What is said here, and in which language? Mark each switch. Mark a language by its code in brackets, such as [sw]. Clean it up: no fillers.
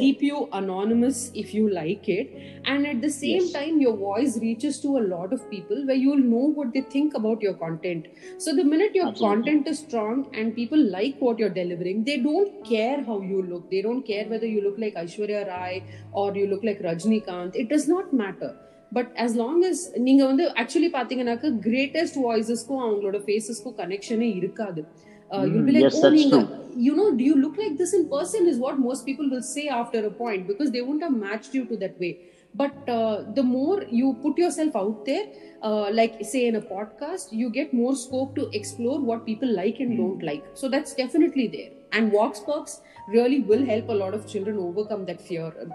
[en] keep you anonymous if you like it. And at the same yes. time, your voice reaches to a lot of people where you'll know what they think about your content. So the minute your Absolutely. Content is strong and people like what you're delivering, they don't care how you look. They don't care whether you look like Aishwarya Rai or you look like Rajinikant. It does not matter. But as long as [ta] நீங்க வந்து actually பாத்தீங்கனாக்க greatest voices-க்கும் அவங்களோட faces-க்கும் connection-ஏ இருக்காது. [en] You'll be like, yes, oh, நீங்க, you know, do you look like this in person is what most people will say after a point, because they wouldn't have matched you to that way. But the more you put yourself out there, like say in a podcast, you get more scope to explore what people like and don't like. So that's definitely there. And Voxbox really will help a lot of children overcome that fear.